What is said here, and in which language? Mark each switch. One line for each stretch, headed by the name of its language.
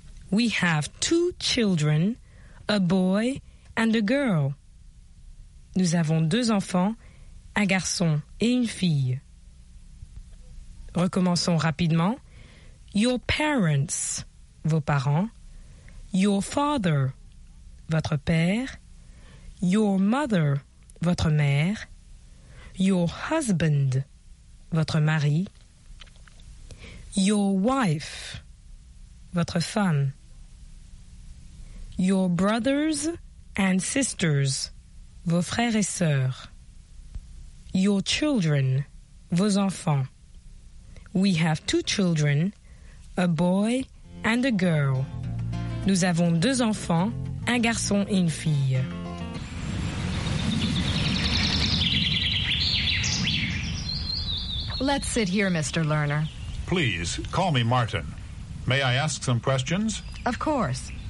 English: We have two children, a boy and a girl.
French: Nous avons deux enfants, un garçon et une fille. Recommençons rapidement.
English: Your parents,
French: vos parents.
English: Your father,
French: votre père.
English: Your mother,
French: votre mère.
English: Your husband,
French: votre mari.
English: Your wife,
French: votre femme.
English: Your brothers and sisters,
French: vos frères et sœurs.
English: Your children,
French: vos enfants.
English: We have two children, a boy and a girl.
French: Nous avons deux enfants, un garçon et une fille.
English: Let's sit here, Mr. Lerner. Please, call me Martin. May I ask some questions? Of course.